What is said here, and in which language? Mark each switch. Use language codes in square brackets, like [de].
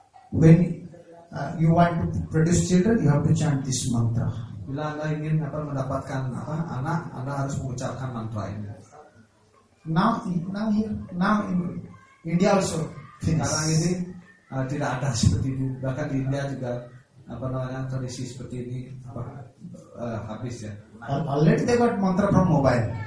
[en] When you want to produce children, you have to chant this mantra. [id] Bila Anda ingin apa mendapatkan apa anak, Anda harus mengucapkan mantra ini. [en] Now in India also. [id] Sekarang ini tidak ada seperti itu. Bahkan di India juga apa namanya tradisi seperti ini apa habis ya. [en] Already they got mantra from mobile.